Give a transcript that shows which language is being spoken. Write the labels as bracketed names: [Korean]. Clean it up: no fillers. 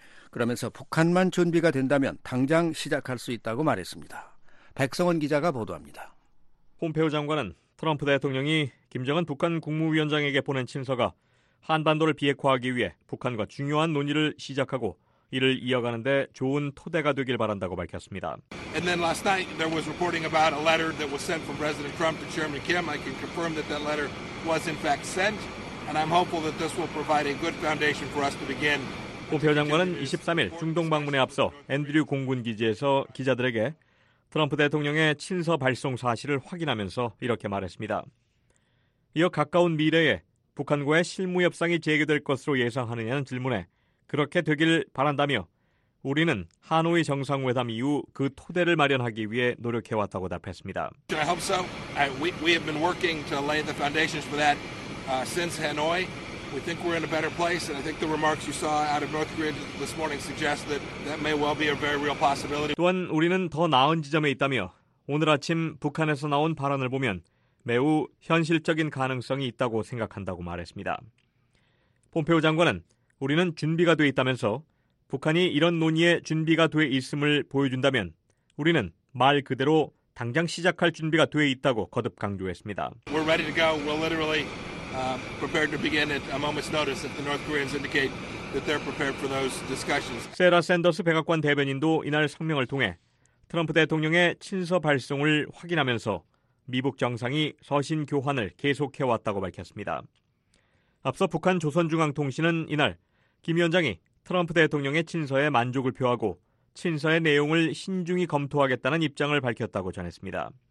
[Korean] 그러면서 북한만 준비가 된다면 당장 시작할 수 있다고 말했습니다. 백성원 기자가 보도합니다. 폼페오 장관은 트럼프 대통령이 김정은 북한 국무위원장에게 보낸 친서가 한반도를 비핵화하기 위해 북한과 중요한 논의를 시작하고 이를 이어가는 데 좋은 토대가 되길 바란다고 밝혔습니다. [English] And then last night there was reporting about a letter that was sent from President Trump to Chairman Kim. I can confirm that that letter was in fact sent and I'm hopeful that this will provide a good foundation for us to begin. [Korean] 폼페오 장관은 23일 중동 방문에 앞서 앤드류 공군 기지에서 기자들에게 트럼프 대통령의 친서 발송 사실을 확인하면서 이렇게 말했습니다. 이어 가까운 미래에 북한과의 실무 협상이 재개될 것으로 예상하느냐는 질문에 그렇게 되길 바란다며 우리는 하노이 정상회담 이후 그 토대를 마련하기 위해 노력해왔다고 답했습니다. [English] I hope so. We have been working to lay the foundations for that since Hanoi. We think we're in a better place, and I think the remarks you saw out of North Korea this morning suggest that that may well be a very real possibility. [Korean] 또한 우리는 더 나은 지점에 있다며 오늘 아침 북한에서 나온 발언을 보면 매우 현실적인 가능성이 있다고 생각한다고 말했습니다. 폼페오 장관은 우리는 준비가 돼 있다면서 북한이 이런 논의에 준비가 돼 있음을 보여준다면 우리는 말 그대로 당장 시작할 준비가 돼 있다고 거듭 강조했습니다. [English] We're ready to go. We're literally prepared to begin at a moment's notice if the North Koreans indicate that they're prepared for those discussions. [Korean] 세라 샌더스 백악관 대변인도 이날 성명을 통해 트럼프 대통령의 친서 발송을 확인하면서 미북 정상이 서신 교환을 계속해왔다고 밝혔습니다. 앞서 북한 조선중앙통신은 이날 김 위원장이 트럼프 대통령의 친서에 만족을 표하고 친서의 내용을 신중히 검토하겠다는 입장을 밝혔다고 전했습니다.